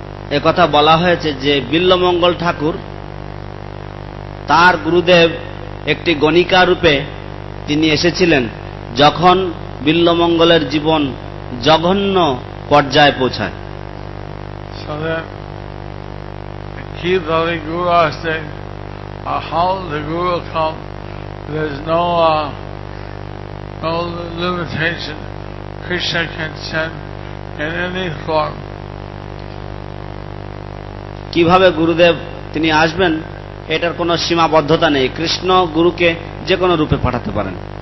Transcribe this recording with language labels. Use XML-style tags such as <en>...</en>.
<bn>একথা বলা হয়েছে যে বিল্বমঙ্গল ঠাকুর তার গুরুদেব একটি গণিকা রূপে তিনি এসেছিলেন যখন বিল্বমঙ্গলের জীবন জঘন্য পর্যায়ে পৌঁছায়।</bn> <en>So then, Kidali Guru asked him, how the Guru will come, there's no no limitation. Krishna can send in any form.</en> <bn>কিভাবে গুরুদেব তিনি আসবেন এটার কোন সীমাবদ্ধতা নেই, কৃষ্ণ গুরুকে যে কোনো রূপে পাঠাতে পারেন।</bn>